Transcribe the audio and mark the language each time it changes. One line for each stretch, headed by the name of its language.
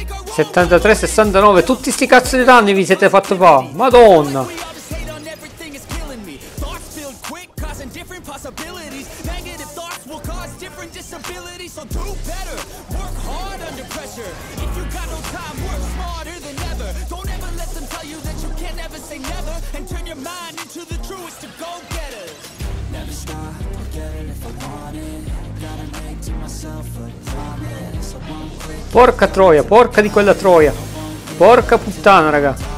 Italian: '73, '69, tutti sti cazzo di danni vi siete fatto qua. Madonna.
English: Negative thoughts will cause different different disabilities, so do better. Work hard under pressure. If you got no time, work smarter than ever. Don't ever let them tell you that you can't ever say never. And turn your mind into the truest of go-getters. Never stop, I'll get it if I want it. Gotta make to myself a promise.
Italian: Porca troia, porca di quella troia. Porca puttana, raga.